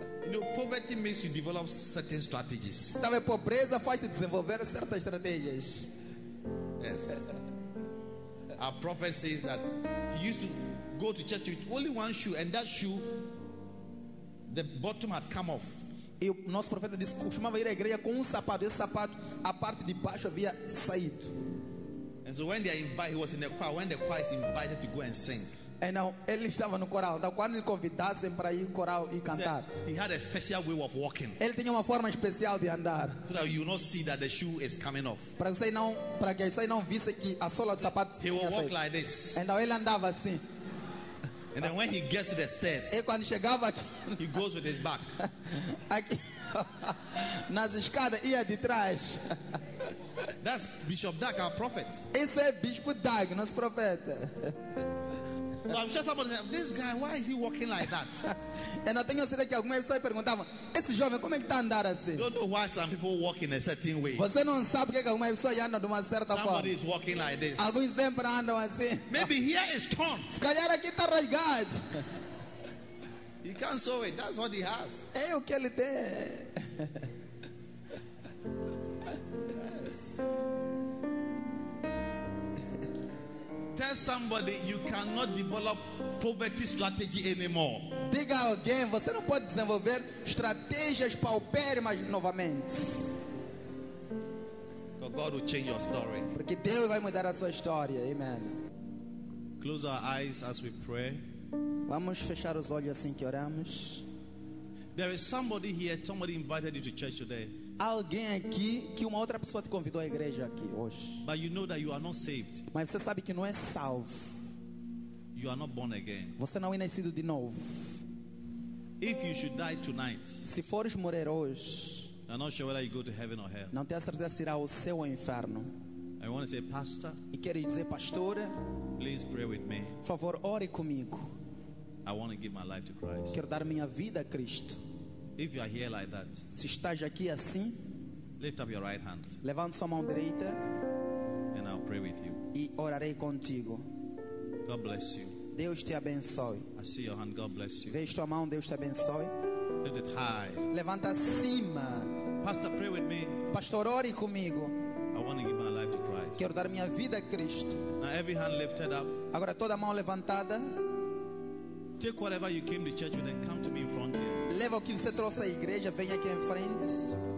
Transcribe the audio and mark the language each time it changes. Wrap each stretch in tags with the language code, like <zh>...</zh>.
<en>You know, poverty makes you develop certain strategies.</en> <pt>Sabe, pobreza faz-te desenvolver certas estratégias.</pt> <en>Yes. Our prophet says that he used to go to church with only one shoe, and that shoe, the bottom had come off.</en> <pt>E o nosso profeta disse que costumava ir à igreja com sapato. Esse sapato, a parte de baixo havia saído.</pt> <en>And so when they invite, he was in the choir. When the choir is invited to go and sing.</en> <pt>E não, ele estava no coral. Então, quando lhe convidassem para ir no coral e cantar,</pt> <en>he had a special way of walking.</en> <pt>Ele tinha uma forma especial de andar.</pt> <en>So that you not see that the shoe is coming off.</en> <pt>Para que você não visse que a sola do sapato</pt> <en>he will walk like this.</en> <pt>Então, ele andava assim.</pt> <en>And then when he gets to the stairs,</en> <pt>e quando chegava aqui,</pt> <en>he goes with his back.</en> <pt>Aqui, nas escadas ia de trás.</pt> <en>That's Bishop Doug, our prophet.</en> <pt>Esse é Bispo Doug, nosso profeta.</pt> <en>So I'm sure somebody said, this guy, why is he walking like that? And I think you said that</en> <pt>algumas pessoas perguntavam, esse jovem como é que está andando assim?</pt> <en>Don't know why some people walk in a certain way.</en> <pt>Você não sabe que algumas pessoas andam de uma certa forma.</pt> <en>Somebody is walking like this.</en> <pt>Alguns sempre andam assim.</pt> <en>Maybe here is torn.</en> <pt>Se calhar aqui está rasgado.</pt> <en>He can't sew it. That's what he has.</en> <pt>É o que ele tem.</pt> <en>Tell somebody you cannot develop poverty strategy anymore.</en> <pt>Diga alguém, você não pode desenvolver estratégias paupérrimas novamente.</pt> <en>For God will change your story.</en> <pt>Porque Deus vai mudar a sua história. Amen.</pt> <en>Close our eyes as we pray.</en> <pt>Vamos fechar os olhos assim que oramos.</pt> <en>There is somebody here, somebody invited you to church today.</en> <pt>Alguém aqui que uma outra pessoa te convidou à igreja aqui hoje.</pt> <en>But you know that you are not saved.</en> <pt>Mas você sabe que não é salvo.</pt> <en>You are not born again.</en> <pt>Você não é nascido de novo.</pt> <en>If you should die tonight.</en> <pt>Se fores morrer hoje.</pt> <en>I'm not sure whether you go to heaven or hell.</en> <pt>Não tenho certeza se irá ao céu ou inferno.</pt> <en>I want to say, pastor.</en> <pt>E quero dizer, pastora.</pt> <en>Please pray with me.</en> <pt>Por favor, ore comigo.</pt> <en>I want to give my life to Christ.</en> <pt>Quero dar minha vida a Cristo.</pt> <en>If you are here like that,</en> <pt>se estás aqui assim,</pt> <en>lift up your right hand.</en> <pt>Levanta sua mão direita.</pt> <en>And I'll pray with you.</en> <pt>E orarei contigo.</pt> <en>God bless you.</en> <pt>Deus te abençoe.</pt> <en>I see your hand. God bless you.</en> <pt>Vejo tua mão. Deus te abençoe.</pt> <en>Lift it high.</en> <pt>Levanta acima.</pt> <en>Pastor, pray with me.</en> <pt>Pastor, ore comigo.</pt> <en>I want to give my life to Christ.</en> <pt>Quero dar minha vida a Cristo.</pt> <en>Now every hand lifted up.</en> <pt>Agora toda mão levantada.</pt> <en>Take whatever you came to church with and come to me in front here.</en> <pt>Leva o que você trouxe à igreja, venha aqui em frente.</pt>